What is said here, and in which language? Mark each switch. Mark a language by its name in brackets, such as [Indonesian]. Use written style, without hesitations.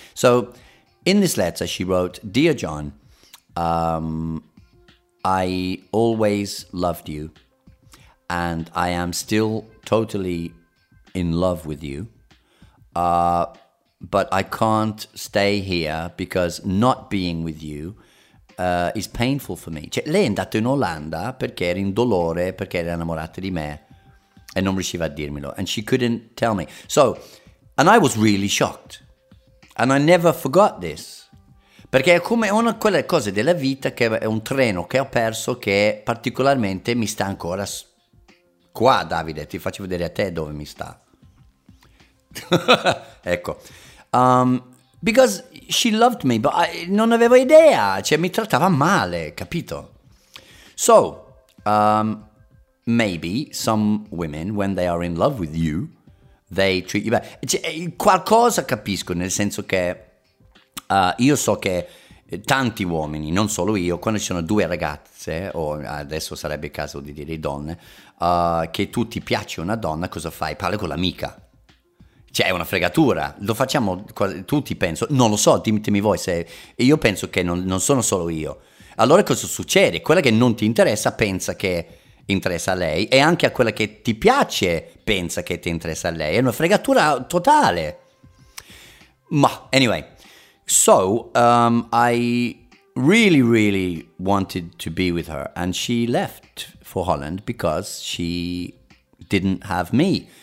[English] So, in this letter, she wrote, dear John, I always loved you, and I am still totally in love with you, but I can't stay here because not being with you is painful for me. [Italian] Cioè, lei è andata in Olanda perché era in dolore, perché era innamorata di me e non riusciva a dirmelo. [English] And she couldn't tell me. So, and I was really shocked. And I never forgot this. [Italian] Perché è come una di quelle cose della vita che è un treno che ho perso che particolarmente mi sta ancora qua, Davide. Ti faccio vedere a te dove mi sta. Ecco. [English] Because she loved me, but I [Italian] non avevo idea, cioè mi trattava male, capito? [English] So, maybe some women, when they are in love with you, they treat you bad. [Italian] Cioè, qualcosa capisco, nel senso che io so che tanti uomini, non solo io, quando ci sono due ragazze, o adesso sarebbe il caso di dire donne, che tu ti piace una donna, cosa fai? Parli con l'amica. Cioè, è una fregatura. Lo facciamo quasi tutti, penso. Non lo so, dimmi voi se... Io penso che non sono solo io. Allora cosa succede? Quella che non ti interessa pensa che interessa a lei. E anche a quella che ti piace pensa che ti interessa a lei. È una fregatura totale. Ma, anyway. [English] So, I really, really wanted to be with her. And she left for Holland because she didn't have me.